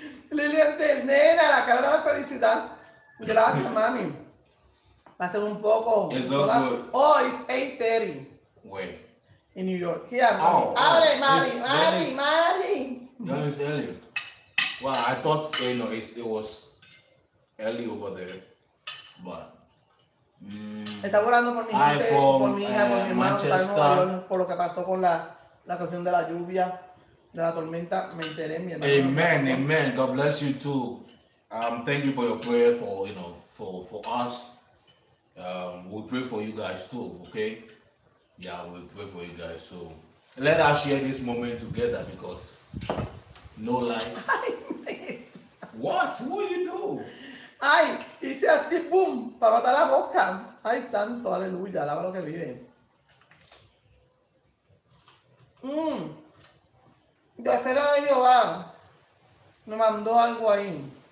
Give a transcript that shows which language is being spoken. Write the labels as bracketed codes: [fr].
[en] Lilian says, [es] "Nena, la cara de la felicidad. Gracias, mami. Pase un poco. [en] It's so good. Oh, it's 8:30. Wait. In New York. Here, mami. Oh, [es] abre, mami. [en] That is early. Well, I thought, you know, it was early over there. But [es] está orando por mi gente, por mi hija, por mi hermano, por lo que pasó con la cuestión de la lluvia, de la tormenta. Me enteré, mi hermano. [en] Amen, amen. God bless you too. Thank you for your prayer for us. We pray for you guys too, okay? Yeah, we pray for you guys. So let us share this moment together because no light. What? What do you do? [es] Ay, hice así, boom, para matar la mosca. Ay, santo, aleluya, alaba lo que vive. Yo espero de Jehová. Me mandó algo ahí.